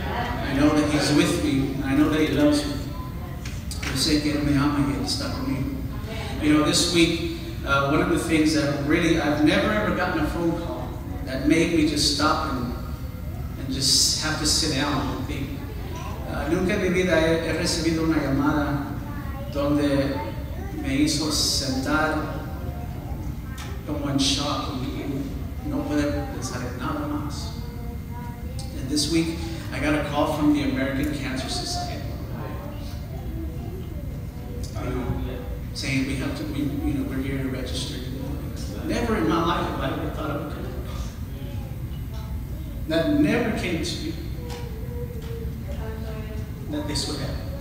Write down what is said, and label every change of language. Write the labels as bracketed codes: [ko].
[en] I know that He's with me, and I know that He loves me. [es] Yo sé que Él me ama y Él está conmigo. [en] You know, this week, one of the things that really, I've never ever gotten a phone call that made me just stop and just have to sit down and think. [es] Nunca en mi vida he recibido una llamada donde me hizo sentar como en shock y no poder pensar en nada más. [en] And this week, I got a call from the American Cancer Society. You know, saying we have to, we, you know, we're here to register. Never in my life have I ever thought of a call. That never came to me that this would happen.